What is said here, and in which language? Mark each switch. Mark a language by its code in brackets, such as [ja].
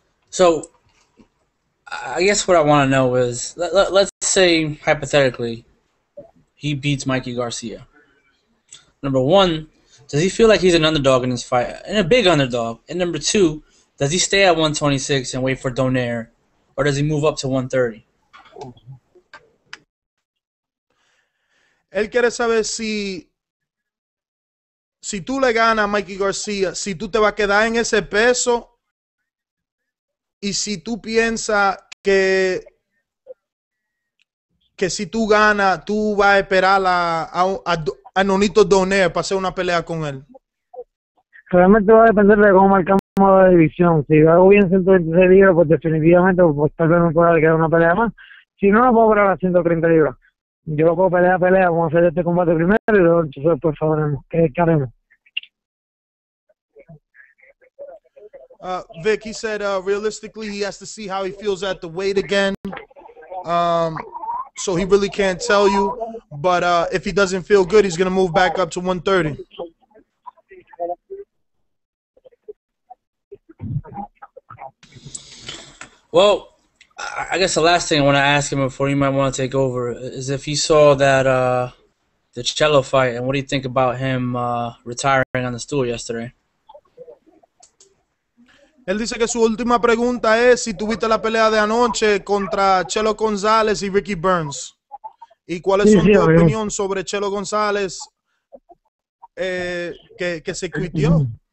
[en] So I guess what I want to know is, let's say hypothetically he beats Mikey García. Number one, does he feel like he's an underdog in this fight, and a big underdog? And number two, does he stay at 126 and wait for Donaire, or does he move up to 130? [es] Él quiere saber si tú le ganas a Mikey García, si tú te vas a quedar en ese peso, y si tú piensas que si tú ganas, tú vas a esperar a Nonito Donaire para hacer una pelea con él. Realmente va a depender de cómo marcamos la división. Si hago bien 126 libras, pues definitivamente pues, tal vez me pueda quedar una pelea más. Si no, no puedo parar a 130 libras. Yo lo puedo pelea, vamos a hacer este combate primero y luego entonces pues, sabremos qué haremos. [en] Vic, he said realistically he has to see how he feels at the weight again. So he really can't tell you, but if he doesn't feel good, he's going to move back up to 130. Well, I guess the last thing I want to ask him before he might want to take over is if he saw that the Chelo fight, and what do you think about him retiring on the stool yesterday? [es] Él dice que su última pregunta es si tuviste la pelea de anoche contra Chelo González y Ricky Burns. ¿Y cuál es su opinión sobre Chelo González que se quitió?